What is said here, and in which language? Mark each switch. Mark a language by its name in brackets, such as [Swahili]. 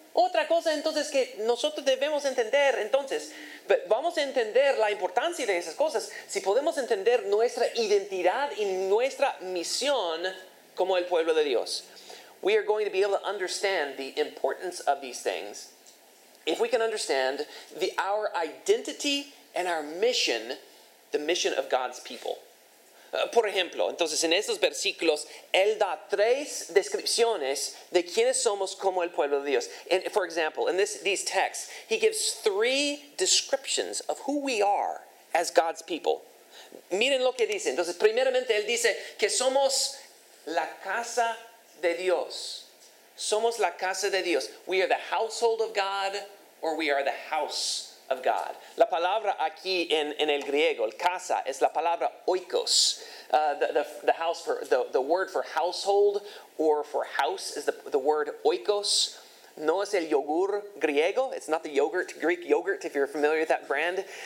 [Spanish] Otra cosa entonces que nosotros debemos entender entonces, vamos a entender la importancia de esas cosas si podemos entender nuestra identidad y nuestra misión como el pueblo de Dios. [English] We are going to be able to understand the importance of these things if we can understand our identity and our mission, the mission of God's people. [Spanish] Por ejemplo, entonces en estos versículos, él da tres descripciones de quiénes somos como el pueblo de Dios. [English] And for example, in these texts, he gives three descriptions of who we are as God's people. [Spanish] Miren lo que dice. Entonces, primeramente, él dice que somos la casa de Dios. Somos la casa de Dios. [English] We are the household of God, or we are the house of God. [Spanish] La palabra aquí en el griego, casa, es la palabra oikos. [English] The house for the word for household or for house is the word oikos. [Spanish] No es el yogur griego. [English] It's not the yogurt, Greek yogurt, if you're familiar with that brand.